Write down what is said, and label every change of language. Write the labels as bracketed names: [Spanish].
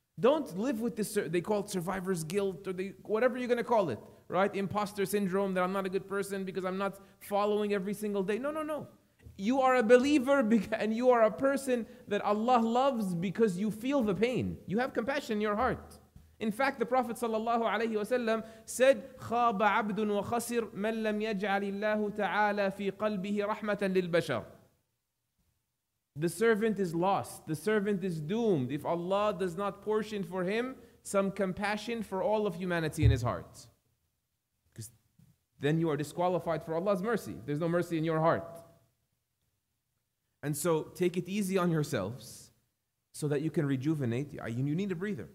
[English] Don't live with this, they call it survivor's guilt, or whatever you're going to call it, right? Imposter syndrome, that I'm not a good person because I'm not following every single day. No. You are a believer, and you are a person that Allah loves because you feel the pain. You have compassion in your heart. In fact, the Prophet sallallahu alayhi wasallam said, [Arabic] خَابَ عَبْدٌ وَخَسِرْ مَنْ لَمْ يَجْعَلِ اللَّهُ تَعَالَى فِي قَلْبِهِ رَحْمَةً لِلْبَشَرِ. [English] The servant is lost. The servant is doomed if Allah does not portion for him some compassion for all of humanity in his heart. Because then you are disqualified for Allah's mercy. There's no mercy in your heart. And so take it easy on yourselves so that you can rejuvenate. You need a breather.